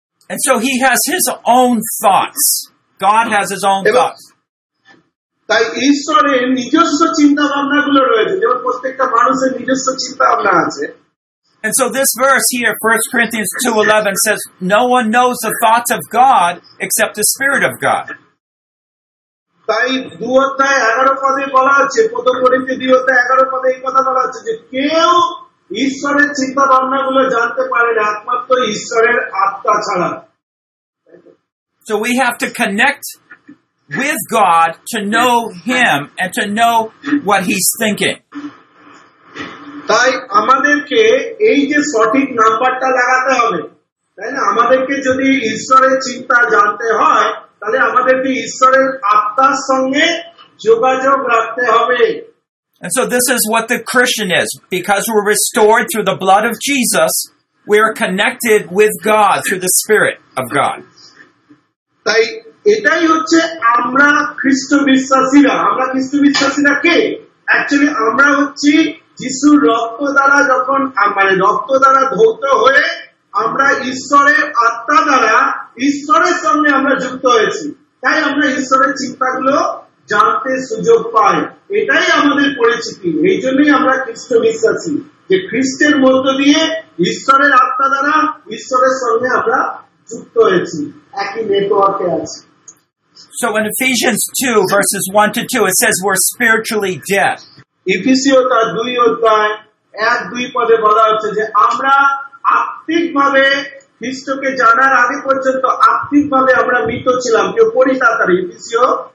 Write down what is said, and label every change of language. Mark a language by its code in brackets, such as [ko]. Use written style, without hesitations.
[en] And so he has his own thoughts. God has his own thoughts. [bn] তাই ঈশ্বরের নিজস্ব চিন্তা ভাবনা গুলো রয়েছে, যেমন প্রত্যেকটা মানুষের নিজস্ব চিন্তা ভাবনা আছে। [en] And so this verse here, 1 Corinthians 2:11, says, no one knows the thoughts of God except the Spirit of God. [bn] তাই 2 অধ্যায় 11 পদে বলা আছে, প্রথম করিন্থী 2 অধ্যায় 11 পদে এই কথা বলা আছে যে কেউ ঈশ্বরের চিন্তা ভাবনা গুলো জানতে পারে না একমাত্র ঈশ্বরের আত্মা ছাড়া। [en] So we have to connect with God to know him and to know what he's thinking. [bn] তাই আমাদেরকে এই যে সঠিক নাম্বারটা লাগাতে হবে, তাই না? আমাদেরকে যদি ঈশ্বরের চিন্তা জানতে হয় তাহলে আমাদেরকে ঈশ্বরের আত্মার সঙ্গে যোগাযোগ রাখতে হবে। [en] And so this is what the Christian is. Because we're restored through the blood of Jesus, we are connected with God through the Spirit of God. [bn] তাই এটাই হচ্ছে আমরা খ্রিস্ট বিশ্বাসীরা। আমরা খ্রিস্ট বিশ্বাসীরা কে? অ্যাকচুয়ালি আমরা হচ্ছি যিশুর রক্ত দ্বারা যখন মানে রক্ত দ্বারা ধৌত হয়ে আমরা ঈশ্বরের আত্মা দ্বারা ঈশ্বরের সঙ্গে আমরা যুক্ত হয়েছি, তাই আমরা ঈশ্বরের চিন্তাগুলো জানতে সুযোগ পাই। এটাই আমাদের পরিচিতি, এই জন্যই আমরা খ্রিস্ট বিশ্বাসী, যে খ্রিস্টের মধ্য দিয়ে ঈশ্বরের আত্মা দ্বারা ঈশ্বরের সঙ্গে আমরা যুক্ত হয়েছি, একই নেটওয়ার্কে আছি। [en] So in Ephesians 2 verses 1 to 2 it says we're spiritually dead. [bn] Ephesians 2 1 2 পদে বলা হচ্ছে যে আমরা আত্মিকভাবে খ্রিস্টকে জানার আগে পর্যন্ত আত্মিকভাবে আমরা মৃত ছিলাম, কেউ পড়ি তাড়াতাড়ি Ephesians